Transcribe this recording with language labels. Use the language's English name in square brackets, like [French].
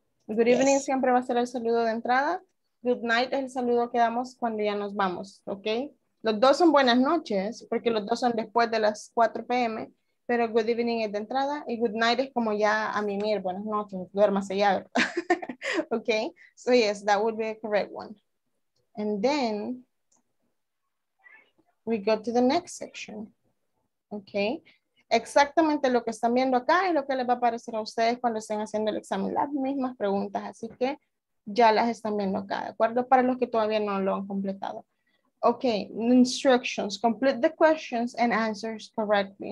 [Spanish] Good evening siempre va a ser el saludo de entrada. Good night es el saludo que damos cuando ya nos vamos, ¿ok? Los dos son buenas noches, porque los dos son después de las 4 p.m., pero good evening es de entrada, y good night es como ya a mimir, buenas noches, duérmase ya. [English] Ok, so yes, that would be a correct one. And then, we go to the next section. [Spanish] Ok, exactamente lo que están viendo acá es lo que les va a aparecer a ustedes cuando estén haciendo el examen, las mismas preguntas, así que ya las están viendo acá, ¿de acuerdo? Para los que todavía no lo han completado. [English] Okay, instructions. Complete the questions and answers correctly.